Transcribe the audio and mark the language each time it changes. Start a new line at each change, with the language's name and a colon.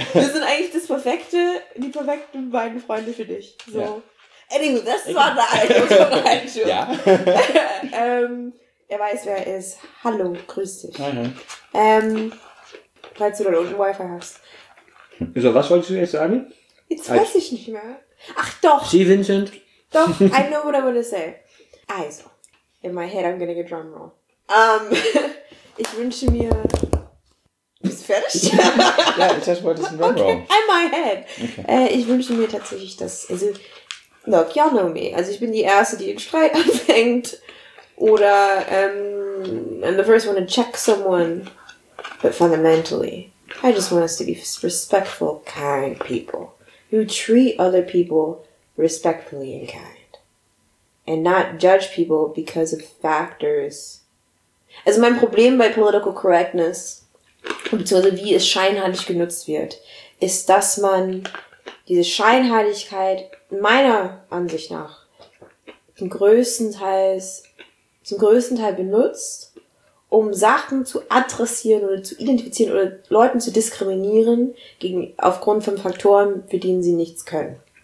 German: Wir sind eigentlich das perfekte, die perfekten beiden Freunde für dich. So. Ja. Anyway, das war der Einschub. Ja. Er weiß, wer er ist. Hallo, grüß dich. Hi, hi. Falls du da unten Wi-Fi hast. So, was wolltest du jetzt sagen? Weiß ich nicht mehr. Ach doch. Sie, Vincent.
English: Doch, I know what I want to say. Also, in my head I'm gonna get drum roll.
German: ich wünsche mir... Bist du fertig? Ja, ich dachte, wollte ich einen drum roll.
English: Okay, in my head. Okay.
German: Ich wünsche mir tatsächlich, dass... Also,
English: look, y'all know me.
German: Also, ich bin die Erste, die den Streit anfängt.
English: Oder, I'm the first one to check someone. But fundamentally, I just want us to be respectful, kind people. Who treat other people respectfully and kind. And not judge people because of factors.
German: Also mein Problem bei political correctness, beziehungsweise wie es scheinheilig genutzt wird, ist, dass man diese Scheinheiligkeit meiner Ansicht nach zum größten Teil benutzt, um Sachen zu adressieren oder zu identifizieren oder Leuten zu diskriminieren aufgrund von Faktoren, für denen sie nichts können.